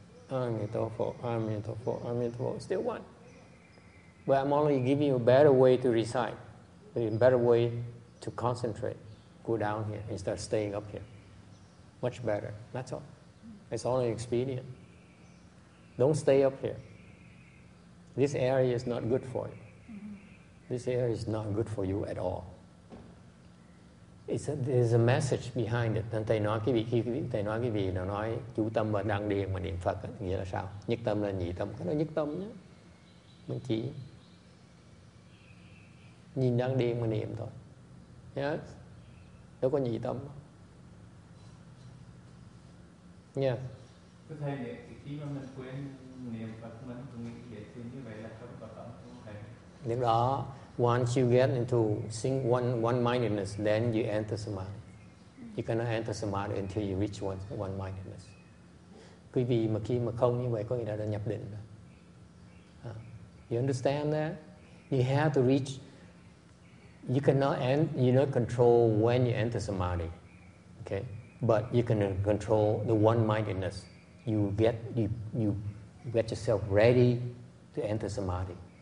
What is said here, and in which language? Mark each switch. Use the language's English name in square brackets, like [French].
[English] Amitofo, Amitofo, Amitofo, still one. But I'm only giving you a better way to recite, a better way to concentrate, go down here instead of staying up here. Much better. That's all. It's only expedient. Don't stay up here. This area is not good for you. This air is not good for you at all. There's a message behind it. [Vietnamese] Thầy nói cái vị, khi thầy nói cái vị nó nói chú tâm và đang điền mà niệm Phật ấy, nghĩa là sao? Nhất tâm là nhị tâm, cái đó nhất tâm nhé. Mình chỉ nhìn đang điền mà niệm thôi. Yes. Đâu có nhị tâm. Yes. Thưa thầy, khi mà mình quên niệm Phật mình cũng nghĩ vậy, như vậy là không có tâm. Lúc đó, [English] once you get into one-mindedness, then you enter samadhi. You cannot enter samadhi until you reach one-mindedness. [Vietnamese] Quý vị mà khi mà không như vậy, có nghĩa là nhập định. [English] You understand that? You have to reach, you cannot you don't control when you enter samadhi. Okay? But you can control the one-mindedness. You get yourself ready to enter samadhi.